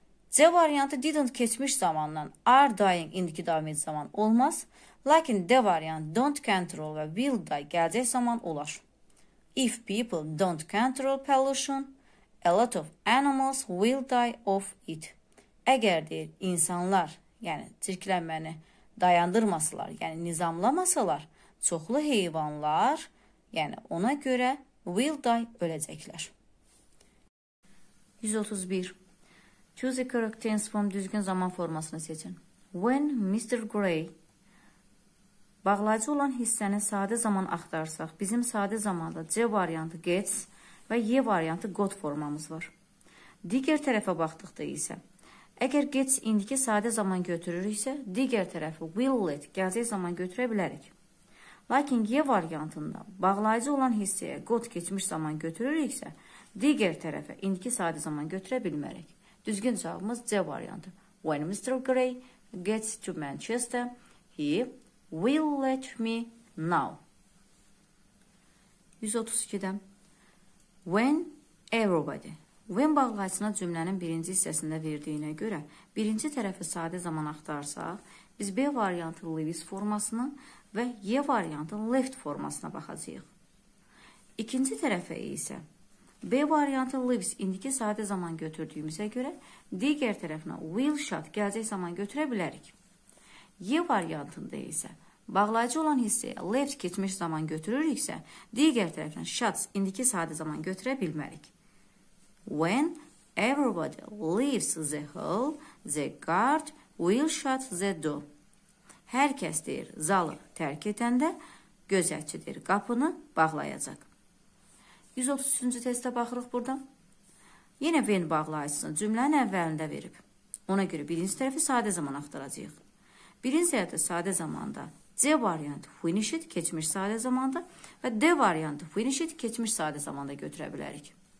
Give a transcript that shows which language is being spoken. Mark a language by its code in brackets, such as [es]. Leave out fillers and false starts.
[az] C variantı didn't keçmiş zamandan, are dying indiki davam edici zaman olmaz. Lakin D variantı [en] don't control [az] və [en] will die [az] gələcək zaman olar. [en] If people don't control pollution, a lot of animals will die of it. [az] Əgər deyir, insanlar, yəni çirklənməni dayandırmasalar, yəni nizamlamasalar, çoxlu heyvanlar, yəni ona görə [en] will die [az] öləcəklər. 131. [en] Choose a correct tense form, [az] düzgün zaman formasını seçin. [en] When Mr. [az] Gray bağlayıcı olan hissəni sadə zaman axtarsaq, bizim sadə zamanda C variantı gets və Y variantı got formamız var. Digər tərəfə baxdıqda isə, əgər gets indiki sadə zaman götürürüksə, digər tərəfi will it gələcək zaman götürə bilərik. Lakin Y variantında bağlayıcı olan hissəyə got keçmiş zaman götürürüksə, digər tərəfə indiki sadə zaman götürə bilmərik. Düzgün cavabımız C variantı. [en] When Mr. Gray gets to Manchester, he will let me know. [az] 132'de [en] When everybody [az] When bağlayıcına cümlənin birinci hissəsində verdiyinə görə birinci tərəfi sadə zaman axtarsaq, biz B variantı Lewis formasını və Y variantı left formasına baxacaq. İkinci tərəfə isə B variantı lives indiki sadə zaman götürdüyümüzə görə digər tərəfinə [en] will shot [az] gələcək zaman götürə bilərik. Y variantında isə bağlayıcı olan hissəyə left keçmiş zaman götürürüksə digər tərəfinə shots indiki sadə zaman götürə bilmərik. [en] When everybody leaves the hall, the guard will shut the door. [az] Hər kəs deyir zalı tərk edəndə gözətçi deyir qapını bağlayacaq. 133-cü testə baxırıq burada. Yenə when bağlayıcısını cümlənin əvvəlində verib. Ona görə birinci tərəfi sadə zaman axtaracaq. Birinci tərəfdə sadə zamanda C variantı finished keçmiş sadə zamanda və D variantı finished keçmiş sadə zamanda götürə bilərik.